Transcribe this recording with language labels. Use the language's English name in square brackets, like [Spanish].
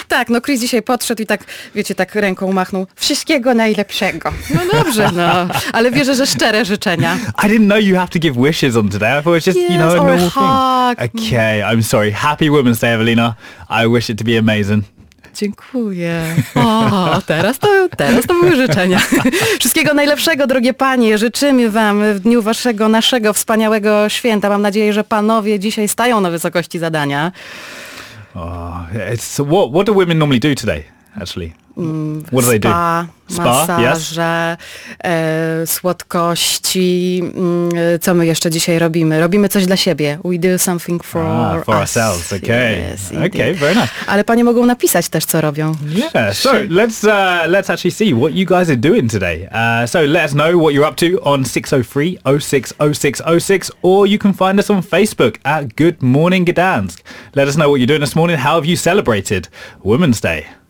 [Polish] Tak, no Chris dzisiaj podszedł i tak, wiecie, tak ręką machnął, wszystkiego najlepszego. No dobrze, no, ale wierzę, że szczere życzenia. [English] I didn't know you have to give wishes on today, I thought it was just, yes, you know, a normal thing. Okay, I'm sorry, happy Women's Day, Ewelina, I wish it to be amazing. [Polish] Dziękuję. O, teraz to były życzenia. Wszystkiego najlepszego, drogie panie. Życzymy wam w dniu waszego, naszego wspaniałego święta. Mam nadzieję, że panowie dzisiaj stają na wysokości zadania. [English] Oh, it's, what do women normally do today, actually? What spa, do they do? Spa, masaże, yes. [Polish] Słodkości. Co my jeszcze dzisiaj robimy? Robimy coś dla siebie. [English] We do something for ourselves. Okay. Yes, okay, very nice. [Polish] Ale panie mogą napisać też, co robią. [English] Yeah, so let's actually see what you guys are doing today. So let us know what you're up to on 603-060606, or you can find us on Facebook at Good Morning Gdansk. Let us know what you're doing this morning. How have you celebrated Women's Day?